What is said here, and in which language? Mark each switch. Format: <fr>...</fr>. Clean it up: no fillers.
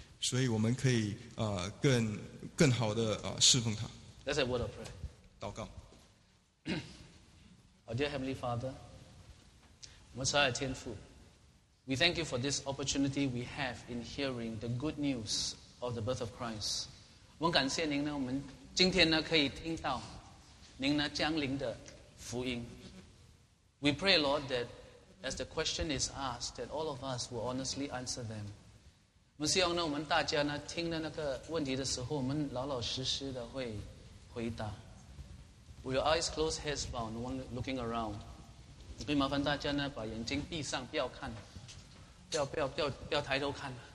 <zh>所以我们可以更好的侍奉他。</zh> <en>That's a word of prayer.</en> <zh>祷告。</zh> <en>Our dear Heavenly Father, Most High 天父 we thank you for this opportunity we have in hearing the good news of the birth of Christ.</en> <zh>我们感谢您呢，我们今天呢可以听到您呢降临的福音。</zh> <en>We pray, Lord, that as the question is asked, that all of us will honestly answer them.</en> <zh>我们希望呢，我们大家呢听了那个问题的时候，我们老老实实的会回答。</zh> <en>With your eyes closed, heads bowed, no one looking around.</en> <zh>我可以麻烦大家呢，把眼睛闭上，不要看，不要抬头看。</zh>